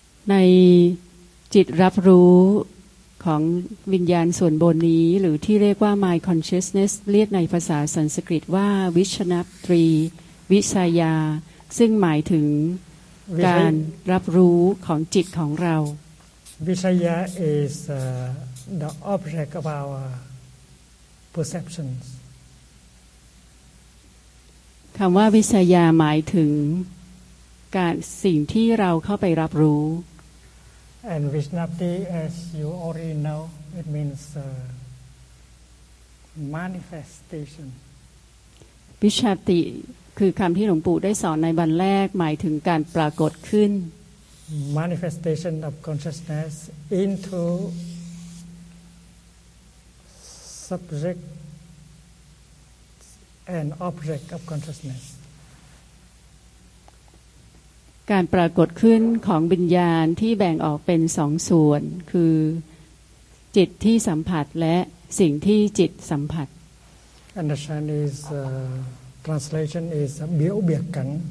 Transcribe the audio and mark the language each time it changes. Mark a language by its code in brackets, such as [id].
[th] ในจิตรับรู้ของวิญญาณส่วนบนนี้หรือที่เรียกว่า mind consciousness เรียกในภาษาสันสกฤตว่าวิชนัปตรีวิชายาซึ่งหมายถึงการรับรู้ของจิตของเรา [en] วิชายา is the object of our perceptions [th] คำว่าวิชยาหมายถึงการสิ่งที่เราเข้าไปรับรู้ [en] and Vishnapti as you already know it means manifestation [th] วิชาติคือคำที่หลวงปู่ได้สอนในวันแรกหมายถึงการปรากฏขึ้น [en] manifestation of consciousness intoSubject and object of consciousness. [th] การปรากฏขึ้นของวิญญาณที่แบ่งออกเป็นสองส่วนคือจิตที่สัมผัสและสิ่งที่จิตสัมผัส [en] And the Chinese translation is เบียวเบียกกัน